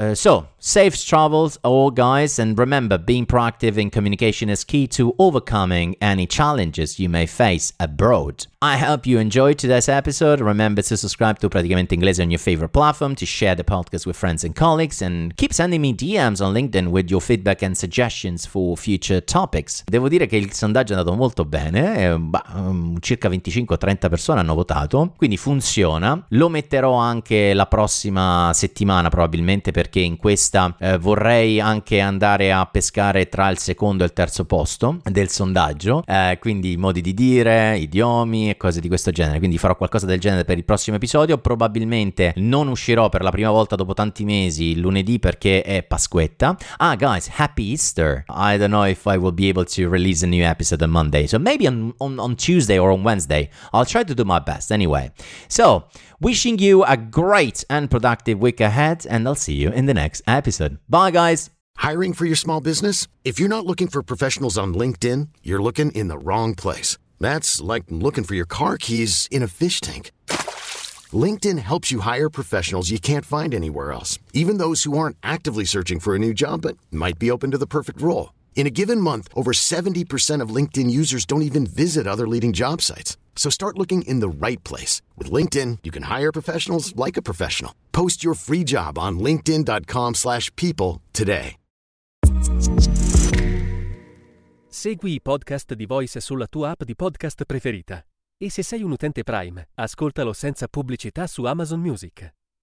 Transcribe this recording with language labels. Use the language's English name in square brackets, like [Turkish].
[English] So, safe travels all, guys, and remember, being proactive in communication is key to overcoming any challenges you may face abroad. I hope you enjoyed today's episode. Remember to subscribe to Praticamente Inglese on your favorite platform, to share the podcast with friends and colleagues, and keep sending me DMs on LinkedIn with your feedback and suggestions for future topics. [Italian] Devo dire che il sondaggio è andato molto bene, circa 25-30 persone hanno votato, quindi funziona. Lo metterò anche la prossima settimana probabilmente, perché in questa vorrei anche andare a pescare tra il secondo e il terzo posto. del sondaggio, quindi modi di dire, idiomi e cose di questo genere. Quindi farò qualcosa del genere per il prossimo episodio. Probabilmente non uscirò per la prima volta dopo tanti mesi il lunedì perché è Pasquetta. [English] Ah, guys, happy Easter. I don't know if I will be able to release a new episode on Monday. So maybe on Tuesday or on Wednesday. I'll try to do my best anyway. So, wishing you a great and productive week ahead, and I'll see you in the next episode. Bye, guys. Hiring for your small business? If you're not looking for professionals on LinkedIn, you're looking in the wrong place. That's like looking for your car keys in a fish tank. LinkedIn helps you hire professionals you can't find anywhere else, even those who aren't actively searching for a new job but might be open to the perfect role. In a given month, over 70% of LinkedIn users don't even visit other leading job sites. So start looking in the right place. With LinkedIn, you can hire professionals like a professional. Post your free job on linkedin.com/people today. [Italian] Segui i podcast di Voice sulla tua app di podcast preferita. E se sei un utente Prime, ascoltalo senza pubblicità su Amazon Music.